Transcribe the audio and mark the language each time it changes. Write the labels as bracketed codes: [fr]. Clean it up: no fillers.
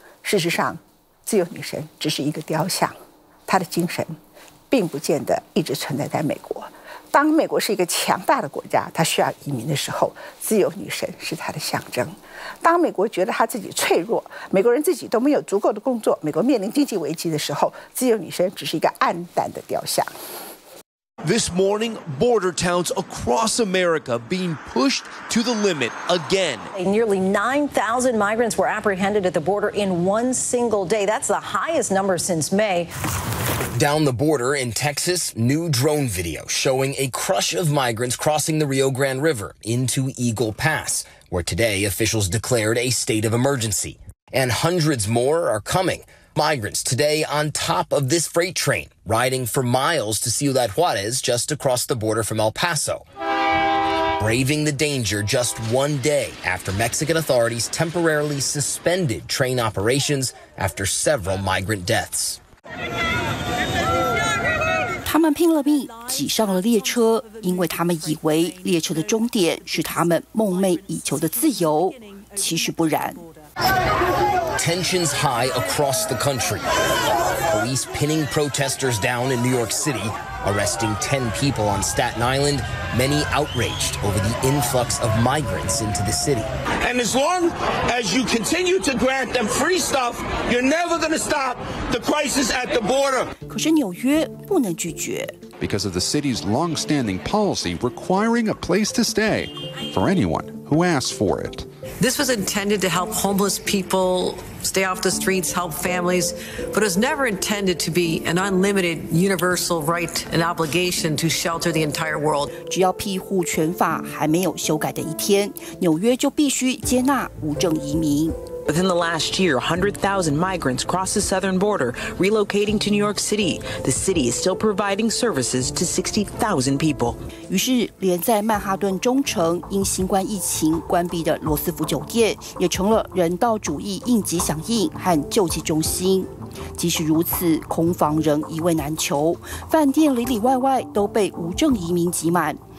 [zh] 事实上，自由女神只是一个雕像，她的精神并不见得一直存在在美国。当美国是一个强大的国家，她需要移民的时候，自由女神是她的象征。当美国觉得他自己脆弱，美国人自己都没有足够的工作，美国面临经济危机的时候，自由女神只是一个暗淡的雕像。 [en] This morning, border towns across America being pushed to the limit again. Nearly 9,000 migrants were apprehended at the border in one single day. That's the highest number since May. Down the border in Texas, new drone video showing a crush of migrants crossing the Rio Grande River into Eagle Pass. Where today officials declared a state of emergency. And hundreds more are coming. Migrants today on top of this freight train, riding for miles to Ciudad Juarez just across the border from El Paso. Braving the danger just one day after Mexican authorities temporarily suspended train operations after several migrant deaths. [zh] 他们拼了命挤上了列车，因为他们以为列车的终点是他们梦寐以求的自由，其实不然。 [en] Tensions high across the country. Police pinning protesters down in New York City, arresting 10 people on Staten Island, many outraged over the influx of migrants into the city. And as long as you continue to grant them free stuff, you're never going to stop the crisis at the border. [zh] 可是纽约不能拒绝。 [en] Because of the city's long-standing policy requiring a place to stay for anyone who asks for it. This was intended to help homeless people stay off the streets, help families, but it was never intended to be an unlimited universal right and obligation to shelter the entire world. [zh] 只要庇护权法还没有修改的一天，纽约就必须接纳无证移民。 [en] Within the last year, 100,000 migrants crossed the southern border, relocating to New York City. The city is still providing services to 60,000 people. [zh] 于是，连在曼哈顿中城因新冠疫情关闭的罗斯福酒店，也成了人道主义应急响应和救济中心。即使如此，空房仍一位难求，饭店里里外外都被无证移民挤满。